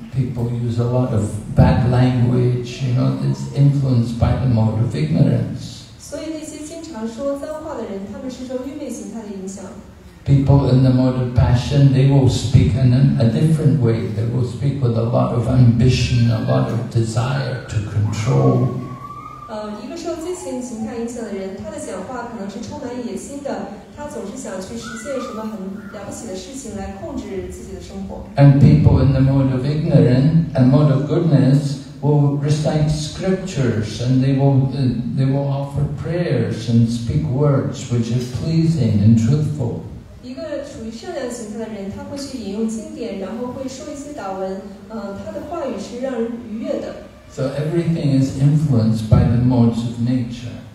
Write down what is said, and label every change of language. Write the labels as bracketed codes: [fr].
[en] People use a lot of bad language, you know, it's influenced by the mode of ignorance. [zh] 所以那些经常说脏话的人，他们是受愚昧形态的影响。 [en] People in the mode of passion, they will speak in a different way. They will speak with a lot of ambition, a lot of desire to control. [zh] 一个受激情形态影响的人，他的讲话可能是充满野心的，他总是想去实现什么很了不起的事情来控制自己的生活。 [en] And people in the mode of ignorance and mode of goodness will recite scriptures and they will offer prayers and speak words which are pleasing and truthful. [zh] 一个处于善良形态的人，他会去引用经典，然后会说一些祷文，他的话语是让人愉悦的。 [en] So everything is influenced by the modes of nature.